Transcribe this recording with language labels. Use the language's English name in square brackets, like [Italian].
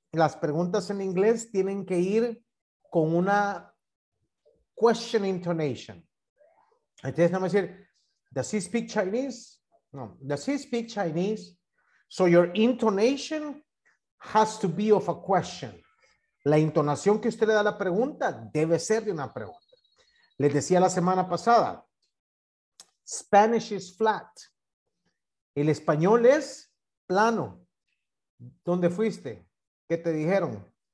[Spanish] Las preguntas en inglés tienen que ir con una question intonation. Entonces, vamos a decir, [English] does he speak Chinese? No. Does he speak Chinese? So your intonation has to be of a question. [Spanish] La intonación que usted le da a la pregunta debe ser de una pregunta. Les decía la semana pasada, [English] Spanish is flat. [Spanish] El español es plano. ¿Dónde fuiste? ¿Qué te dijeron?